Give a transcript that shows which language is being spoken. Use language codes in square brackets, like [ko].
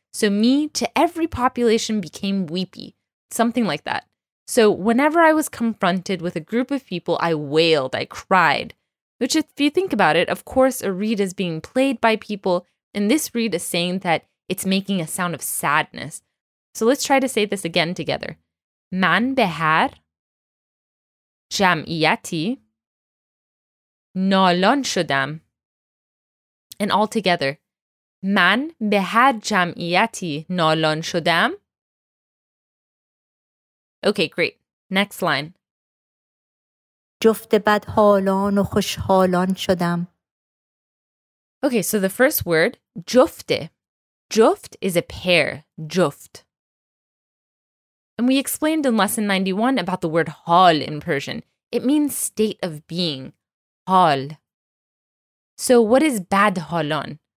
[en] So me to every population became weepy, something like that. So whenever I was confronted with a group of people, I wailed, I cried. Which if you think about it, of course a reed is being played by people, And this reed is saying that it's making a sound of sadness. So let's try to say this again together. [fa] من به هر جمعیتی نالان شدم. [en] And all together. [fa] من به هر جمعیتی نالان شدم. [en] Okay, great. Next line. [fa] جفت بد حالان و خوش حالان شدم. [en] Okay, so the first word, جفته. جفت is a pair. [fa] جفت. [en] And we explained in lesson 91 about the word hal in Persian. It means state of being. Hal. So what is bad halan?